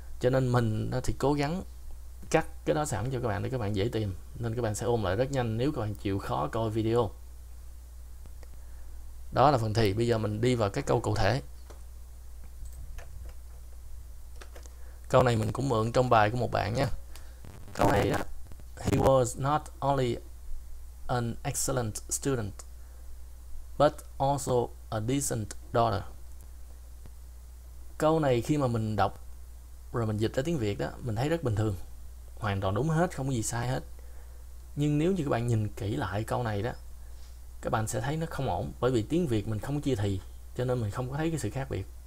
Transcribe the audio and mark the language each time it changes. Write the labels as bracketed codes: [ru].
[vi] Cho nên mình thì cố gắng cắt cái đó sẵn cho các bạn để các bạn dễ tìm, nên các bạn sẽ ôm lại rất nhanh nếu các bạn chịu khó coi video. Đó là phần thì, bây giờ mình đi vào các câu cụ thể. Câu này mình cũng mượn trong bài của một bạn nha. Câu này đó, [en] he was not only an excellent student but also a decent daughter. [vi] Câu này khi mà mình đọc rồi mình dịch ra tiếng Việt đó, mình thấy rất bình thường, hoàn toàn đúng hết, không có gì sai hết. Nhưng nếu như các bạn nhìn kỹ lại câu này đó, các bạn sẽ thấy nó không ổn. Bởi vì tiếng Việt mình không chia thì, cho nên mình không có thấy cái sự khác biệt.